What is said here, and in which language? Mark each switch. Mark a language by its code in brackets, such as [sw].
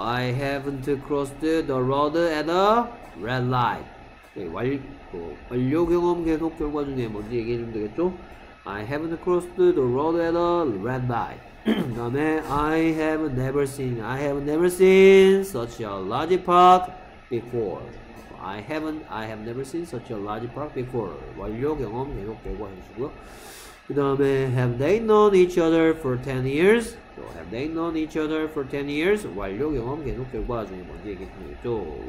[en] I haven't crossed the road at a red light. [ko] 네, 완료 경험 계속 결과 중에 뭔지 얘기해주면 되겠죠? [en] I haven't crossed the road at a red light. [ko] 그 다음에 [en] I have never seen such a large park before. I have never seen such a large park before. [ko] 완료 경험 계속 보고 해주시고요. 그 다음에 [en] Have they known each other for 10 years? So, have they known each other for 10 years? [ko] 완료 경험 계속 결과 중에 뭔지 얘기해 주죠.